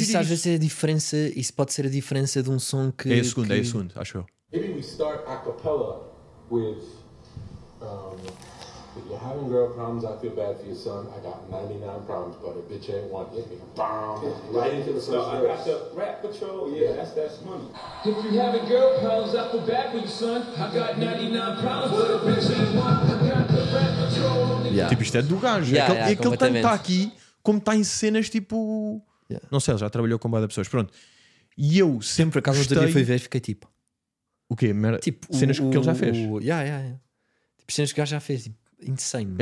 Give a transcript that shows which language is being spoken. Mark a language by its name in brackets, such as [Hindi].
[Portuguese] Mas isso às vezes é a diferença, isso pode ser a diferença de um som que. É o segundo, que... é o segundo, acho eu. [English] Maybe we start a cappella with. If you're having girl problems, I feel bad for your son. I got 99 problems, but a bitch ain't one. Hit me. Bomb. Right into the first verse. I got the rap patrol. Yeah, that's money. If you're having girl problems, I feel bad for your son. I got 99 problems, but a bitch ain't one. I got the rap patrol. Yeah. [Portuguese] Tipo, isto é do gajo. [English] Yeah, [Portuguese] aquele tanto está aqui como está em cenas tipo. [English] Yeah. [Portuguese] Não sei, ele já trabalhou com boas pessoas. Pronto. E eu sempre, acaso gostei... outro dia fui ver, fiquei tipo. O quê? Tipo, cenas que ele já fez. Tipo, cenas que o gajo já fez. Tipo, insane.